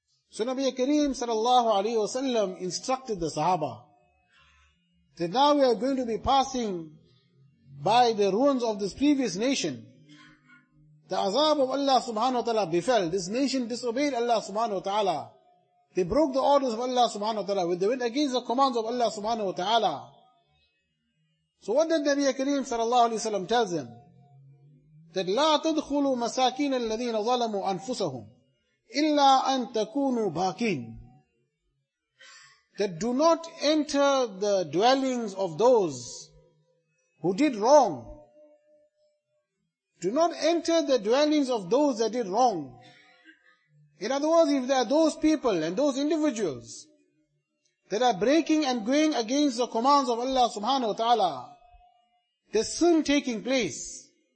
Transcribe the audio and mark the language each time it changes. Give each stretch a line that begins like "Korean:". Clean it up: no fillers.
English: So Nabiya Kareem sallallahu alayhi wa sallam instructed the Sahaba that now we are going to be passing by the ruins of this previous nation. The azab of Allah subhanahu wa ta'ala befell. This nation disobeyed Allah subhanahu wa ta'ala. They broke the orders of Allah subhanahu wa ta'ala. They went against the commands of Allah subhanahu wa ta'ala. So what did Nabiya Kareem sallallahu alayhi wa sallam tell them?
Arabic: That لا تدخلوا مساكين الذين ظلموا أنفسهم إلا أن تكونوا باكين.
English: That do not enter the dwellings of those who did wrong. Do not enter the dwellings of those that did wrong. In other words, if there are those people and those individuals that are breaking and going against the commands of Allah subhanahu wa ta'ala, there's sin taking place.